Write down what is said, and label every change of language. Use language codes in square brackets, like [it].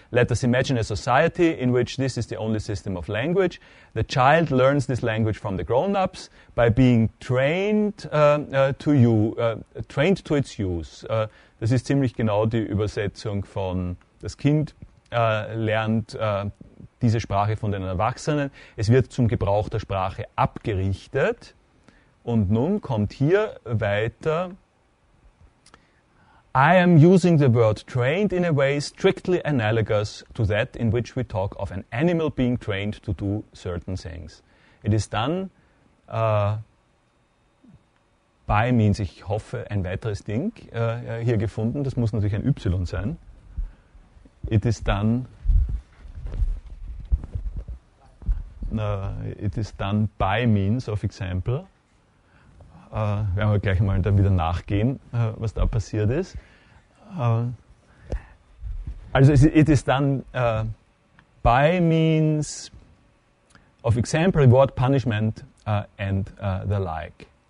[en] Let us imagine a society in which this is the only system of language. The child learns this language from the grown-ups by being trained to its use. [de] Das ist ziemlich genau die Übersetzung von das Kind lernt diese Sprache von den Erwachsenen. Es wird zum Gebrauch der Sprache abgerichtet. Und nun kommt hier weiter. [en] I am using the word trained in a way strictly analogous to that in which we talk of an animal being trained to do certain things. It is done by means, [de] ich hoffe, ein weiteres Ding hier gefunden. Das muss natürlich ein Y sein. [en] It is done it is done by means of example. [de] Werden wir gleich mal dann wieder nachgehen, was da passiert ist. [en] Also it is done by means of example, reward, punishment and the like.